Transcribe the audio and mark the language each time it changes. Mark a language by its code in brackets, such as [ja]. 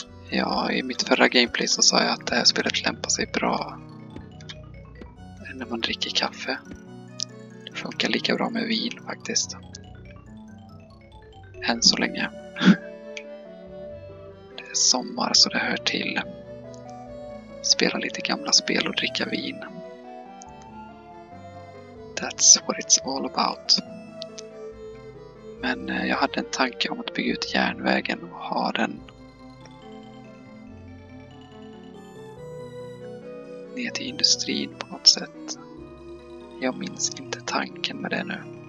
[sv] Ja, i mitt förra gameplay så sa jag att det här spelet lämpar sig bra när man dricker kaffe. Det funkar lika bra med vin faktiskt. Än så länge. Det är sommar så det hör till. Spela lite gamla spel och dricka vin. [en] That's what it's all about. [sv] Men jag hade en tanke om att bygga ut järnvägen och ha den ner till industrin på något sätt. Jag minns inte tanken med det nu.